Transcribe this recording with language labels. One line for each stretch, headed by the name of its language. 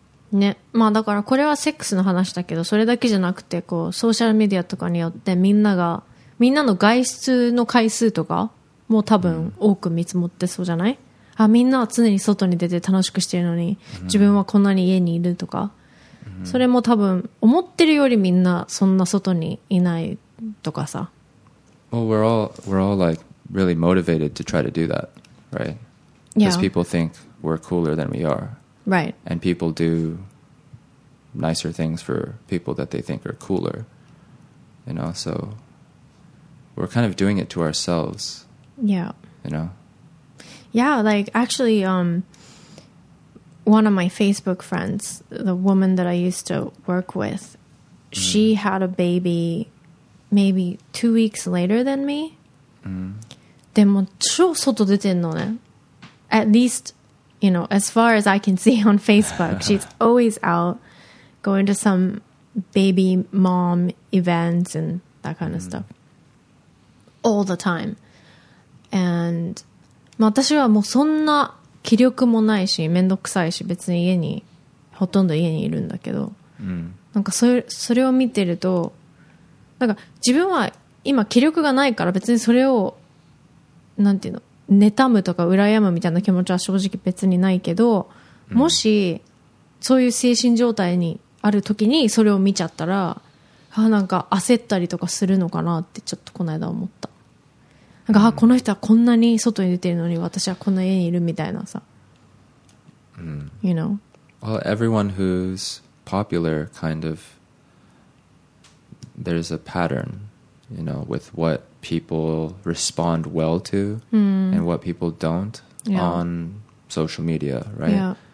Japanese: ね、まあだからこれはセックスの話だけど、それだけじゃなくて、こうソーシャルメディアとかによってみんなの外出の回数とかも多分多く見積もってそうじゃない？あ、みんなは常に外に出て楽しくしてるのに、自分はこんなに家にいるとか、それも多分思ってるよりみんなそんな外にいないとかさ。
English: Well, we're all like really motivated to try to do that, right? Because people think we're cooler than we are. Right. And people do nicer things for people that they think are cooler. You know, so we're kind of doing it to ourselves. Yeah. You know? Yeah, like actually, one of my Facebook friends, the woman that I used to work with, she had a baby maybe 2 weeks later than me.
Japanese: でも超外出てんのね。
English: At least, you know, as far as I can see on Facebook, she's always out going to some baby mom events and that kind of stuff. All the time.
Japanese: And, まあ私はもうそんな気力もないし、めんどくさいし、別に家に、ほとんど家にいるんだけど、なんかそれを見てると、なんか自分は今気力がないから別にそれを、なんていうの、妬むとか羨むみたいな気持ちは正直別にないけど、もしそういう精神状態にある時にそれを見ちゃったら、あ、なんか焦ったりとかするのかなってちょっとこの間思った。なんか、あ、この人はこんなに外に出てるのに私はこんな家にいるみたいなさ。
English: You know? Well, everyone who's popular kind of there's a pattern, you know, with what people respond well to and what people don't on social media, right? Yeah.